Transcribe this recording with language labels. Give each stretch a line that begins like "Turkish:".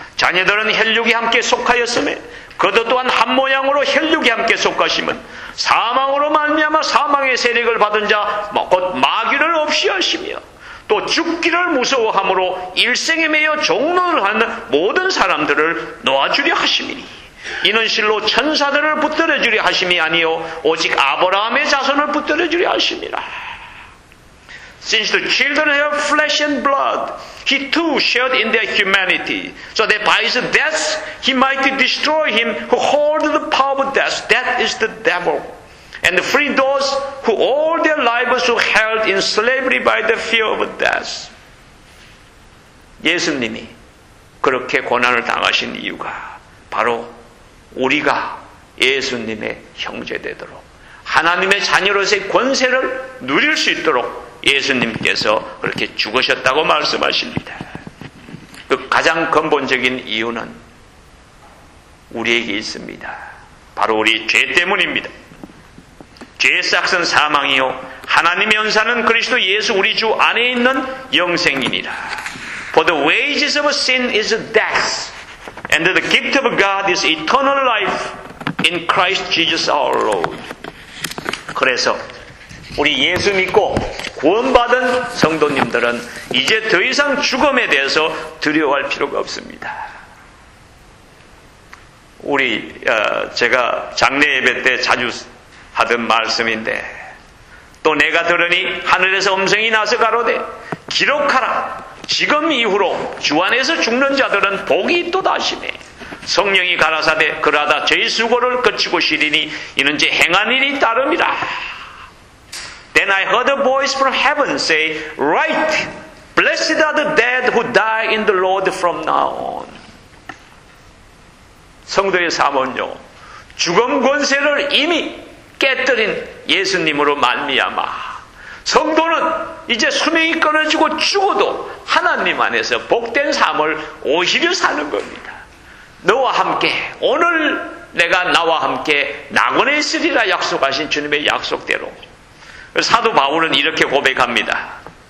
Korean: 자녀들은 혈육이 함께 속하였으며 그도 또한 한 모양으로 혈육이 함께 속하심은 사망으로 말미암아 사망의 세력을 받은 자 곧 마귀를 없이 하시며 또 죽기를 무서워함으로 일생에 매여 종노릇 하는 모든 사람들을 놓아주려 하심이니 이는 실로 천사들을 붙들어주려 하심이 아니오 오직 아브라함의 자손을 붙들어주려 하심이라.
English: Since the children have flesh and blood, he too shared in their humanity, so that by his death he might destroy him who holds the power of death, that is the devil, and free those who all their lives were held in slavery by the fear of death.
Korean: 예수님이 그렇게 고난을 당하신 이유가 바로 우리가 예수님의 형제 되도록 하나님의 자녀로서의 권세를 누릴 수 있도록 예수님께서 그렇게 죽으셨다고 말씀하십니다. 그 가장 근본적인 이유는 우리에게 있습니다. 바로 우리 죄 때문입니다. 죄의 싹은 사망이요 하나님의 은사는 그리스도 예수 우리 주 안에 있는 영생이니라.
English: For the wages of sin is death and the gift of God is eternal life in Christ Jesus our Lord.
Korean: 그래서 우리 예수 믿고 구원받은 성도님들은 이제 더 이상 죽음에 대해서 두려워할 필요가 없습니다. 우리 제가 장례 예배 때 자주 하던 말씀인데 또 내가 들으니 하늘에서 음성이 나서 가로되 기록하라 지금 이후로 주 안에서 죽는 자들은 복이 있도다 하시네. 성령이 가라사대 그러하다 죄의 수고를 거치고 쉬리니 이는 제 행한 일이 따릅니다.
English: Then I heard a voice from heaven say, Write, blessed are the dead who die in the Lord from now on.
Korean: 성도의 삶은요, 죽음 권세를 이미 깨뜨린 예수님으로 말미암아 성도는 이제 수명이 끊어지고 죽어도 하나님 안에서 복된 삶을 오히려 사는 겁니다. 너와 함께 오늘 내가 나와 함께 낙원에 있으리라 약속하신 주님의 약속대로 사도 바울은 이렇게 고백합니다.